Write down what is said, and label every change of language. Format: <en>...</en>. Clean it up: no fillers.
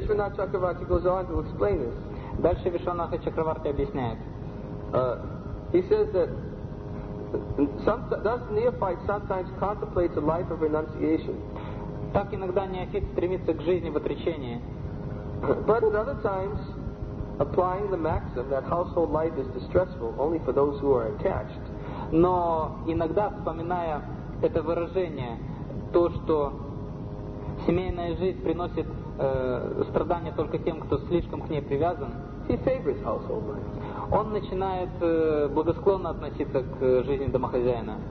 <en>Vishwanath Chakravarti goes on to explain this.</en> <ru>Дальше Вишванатха Чакраварти объясняет.</ru> <en>He says that thus neophyte sometimes contemplates a life of renunciation.</en> <ru>Так иногда неофит стремится к жизни в отречении.</ru> <en>But at other times, applying the maxim that household life is distressful only for those who are attached.</en> <ru>Но иногда вспоминая это выражение, то что семейная жизнь приносит страдания только тем, кто слишком к ней привязан.</ru> <en>He favors household life.</en> <ru>Он начинает благосклонно относиться к жизни домохозяина.</ru>